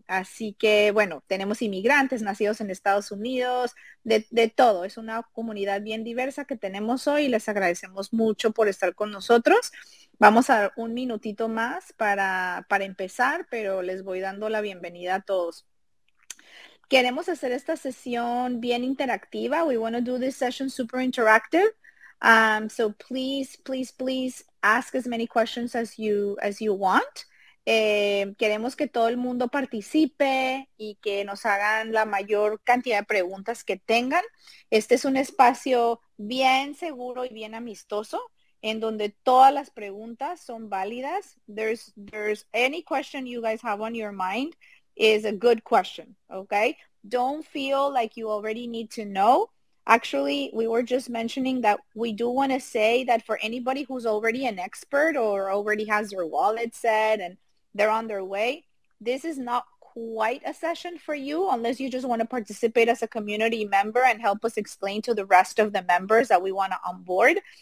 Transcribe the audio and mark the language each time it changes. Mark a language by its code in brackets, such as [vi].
[es] Así que, bueno, tenemos inmigrantes nacidos en Estados Unidos, de todo. Es una comunidad bien diversa que tenemos hoy y les agradecemos mucho por estar con nosotros. Vamos a dar un minutito más para empezar, pero les voy dando la bienvenida a todos. Queremos hacer esta sesión bien interactiva. [en] We want to do this session super interactive. So please, please, please ask as many questions as you want. [es] Queremos que todo el mundo participe y que nos hagan la mayor cantidad de preguntas que tengan. Este es un espacio bien seguro y bien amistoso en donde todas las preguntas son válidas. [en] There's any question you guys have on your mind is a good question, okay? Don't feel like you already need to know. Actually, we were just mentioning that we do want to say that for anybody who's already an expert or already has their wallet set and they're on their way, this is not quite a session for you unless you just want to participate as a community member and help us explain to the rest of the members that we want to onboard.